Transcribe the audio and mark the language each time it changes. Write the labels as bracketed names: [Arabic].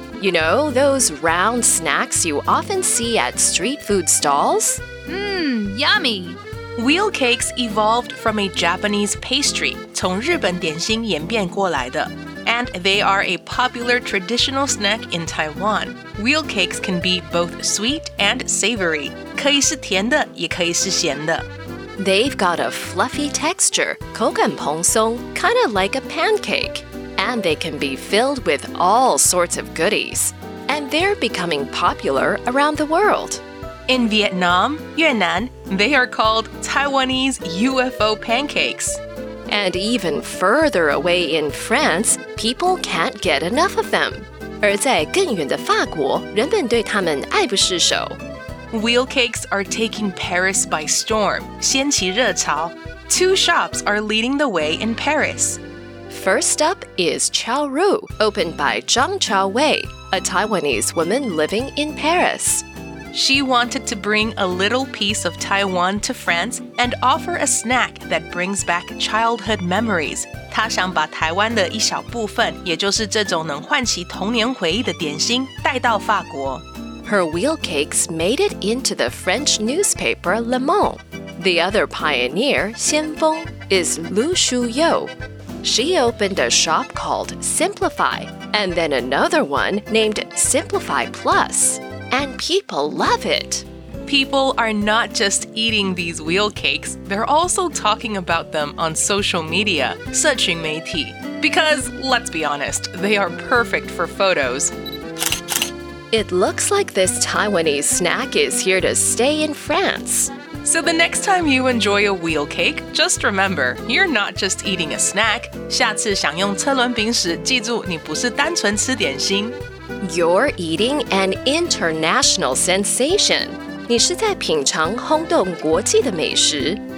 [English] You know, those round snacks you often see at street food stalls? Yummy! Wheel cakes evolved from a Japanese pastry, [Chinese] 从日本点心演变过来的。 [English] And they are a popular traditional snack in Taiwan. Wheel cakes can be both sweet and savory. [Chinese] 可以是甜的,也可以是咸的。 [English] They've got a fluffy texture, [Chinese] 口感蓬松, [English] kind of like a pancake. And they can be filled with all sorts of goodies. And they're becoming popular around the world. In Vietnam, Yunnan, they are called Taiwanese UFO pancakes. And even further away in France, people can't get enough of them. [Chinese] 而在更远的法国,人们对他们爱不释手。 [English] Wheel cakes are taking Paris by storm, [Chinese] 掀起热潮。 [English] Two shops are leading the way in Paris. First up is Chao Ru, opened by Zhang Chao Wei, a Taiwanese woman living in Paris. She wanted to bring a little piece of Taiwan to France and offer a snack that brings back childhood memories. [Chinese] 她想把台湾的一小部分,也就是这种能唤起童年回忆的点心,带到法国。 [English] Her wheel cakes made it into the French newspaper Le Monde. The other pioneer, Xian Feng, is Lu Shuyo. She opened a shop called Simplify, and then another one named Simplify Plus. And people love it. People are not just eating these wheel cakes, they're also talking about them on social media, [Chinese] 社群媒体. [English] Because, let's be honest, they are perfect for photos. It looks like this Taiwanese snack is here to stay in France. So the next time you enjoy a wheel cake, just remember, you're not just eating a snack. [Chinese] 下次享用车轮饼时，记住你不是单纯吃点心。 [English] You're eating an international sensation. [Chinese] 你是在品尝轰动国际的美食。